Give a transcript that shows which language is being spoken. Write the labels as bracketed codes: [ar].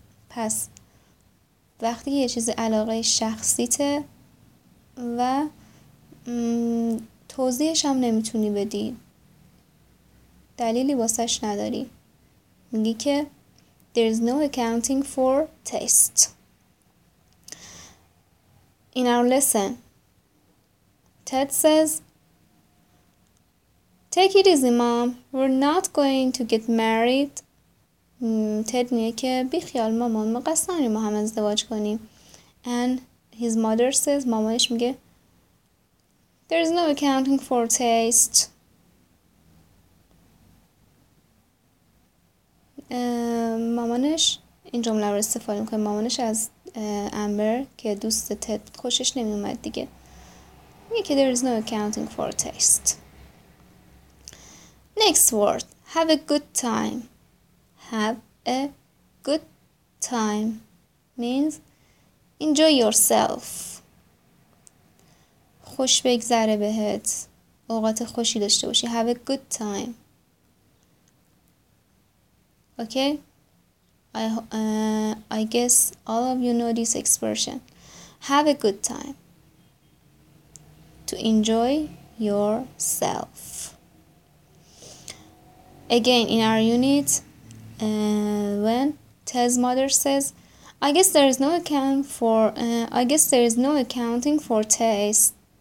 [fa] پس وقتی یه چیز علاقه شخصیته و توضیحش هم نمیتونی بدی، دلیلی واسش نداری، میگی که [en] there is no accounting for taste. In our lesson Ted says, take it easy mom, we're not going to get married. [fa] Ted میگه که بیخیال مامان، ما قصد نداریم با هم ازدواج کنیم. [en] And his mother says، [fa] مامانش میگه [en] there is no accounting for taste. [fa] مامانش این جمله رو استفاده میکنه، مامانش از امبر که دوست تد خوشش نمیومد دیگه، میگه که [en] there is no accounting for taste. Next word، have a good time. Have a good time means enjoy yourself. [fa] خوش بگذره بهت، اوقات خوشی داشته باشی. [en] Have a good time. Okay? I guess all of you know this expression. Have a good time. To enjoy yourself. Again, in our unit, when Ted's mother says, I guess there is no account for I guess there is no accounting for taste.